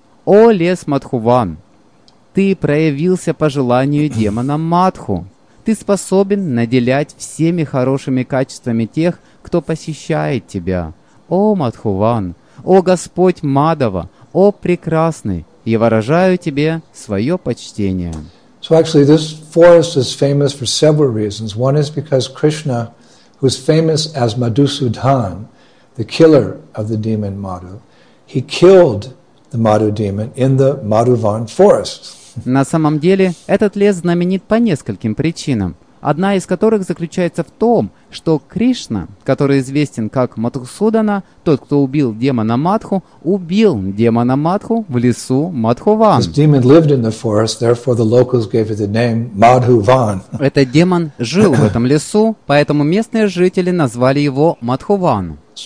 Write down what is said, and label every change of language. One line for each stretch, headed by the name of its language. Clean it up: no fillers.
Russian: О лес Мадхуван, ты проявился по желанию демона Мадху. Ты способен наделять всеми хорошими качествами тех, кто посещает тебя. О, Мадхуван! О, Господь Мадхава! О, Прекрасный! Я выражаю тебе свое почтение.
English: So actually, this forest is famous for several reasons. One is because Krishna, who's famous as Madhusudan, the killer of the demon Madhu, he killed the Madhu demon in the Madhuvan forest.
Russian: На самом деле, этот лес знаменит по нескольким причинам, одна из которых заключается в том, что Кришна, который известен как Мадхусудана, тот, кто убил демона Мадху, убил демона Мадху в лесу Мадхуван. Этот демон жил в этом лесу, поэтому местные жители назвали его Мадхуван.